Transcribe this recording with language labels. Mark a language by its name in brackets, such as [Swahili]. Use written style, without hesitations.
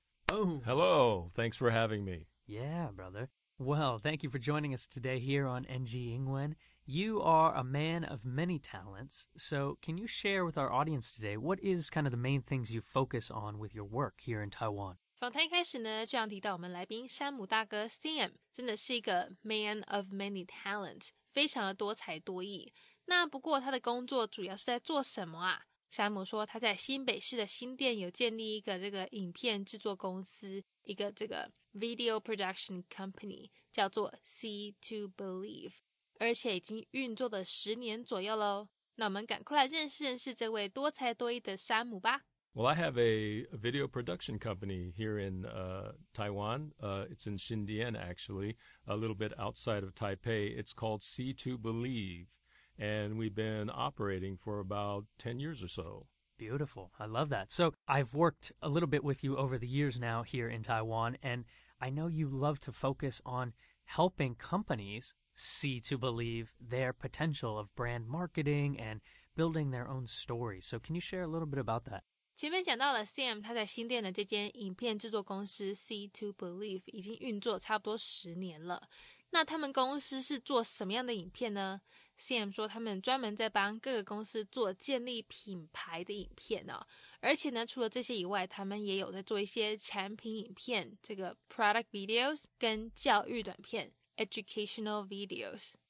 [English] Oh. Hello. Thanks for having me. Yeah, brother. Well, thank you for joining us today here on NG 英文. You are a man of many talents, so can you share with our audience today what is kind of the main things you focus on with your work here in Taiwan? [Chinese] 访谈开始呢，就要提到我们来宾山姆大哥 Sam 真的是一个 [English] man of many talents， [Chinese] 非常的多才多艺。那不过他的工作主要是在做什么啊？山姆说他在新北市的新店有建立一个这个影片制作公司，一个这个 [English] video production company [Chinese] 叫做 C2 Believe，而且已经运作了十年左右了。那我们赶快来认识认识这位多才多艺的山姆吧。 [English] Well, I have a video production company here in Taiwan. It's in Xindian, actually, a little bit outside of Taipei. It's called C2Believe, and we've been operating for about 10 years or so. Beautiful. I love that. So I've worked a little bit with you over the years now here in Taiwan, and I know you love to focus on helping companies see to believe their potential of brand marketing and building their own story. So can you share a little bit about that? [Chinese] 前面讲到了 Sam 他在新店的这间影片制作公司 C2Believe 已经运作差不多十年了，那他们公司是做什么样的影片呢？ Sam 说他们专门在帮各个公司做建立品牌的影片、哦、而且呢除了这些以外，他们也有在做一些产品影片，这个 [English] product videos [Chinese] 跟教育短片 [English] educational videos。